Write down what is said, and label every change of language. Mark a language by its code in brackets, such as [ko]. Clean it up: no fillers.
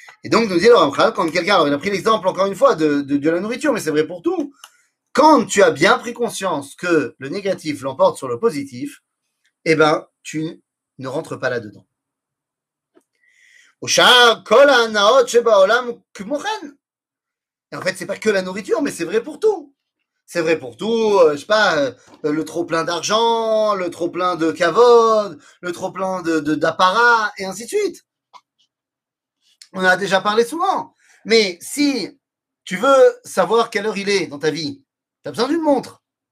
[fr] Donc nous dit le Ramchal, quand quelqu'un, alors il a pris l'exemple encore une fois de la nourriture, mais c'est vrai pour tout, quand tu as bien pris conscience que le négatif l'emporte sur le positif, eh ben tu ne rentres pas là-dedans. [he] ושאר כל ההנאות שבעולם כמו כן. [fr] En fait, c'est pas que la nourriture, mais c'est vrai pour tout. C'est vrai pour tout, je sais pas, le trop plein d'argent, le trop plein de kavod, le trop plein d'apparat, et ainsi de suite. On en a déjà parlé souvent. Mais si tu veux savoir quelle heure il est dans ta vie, t'as besoin d'une montre.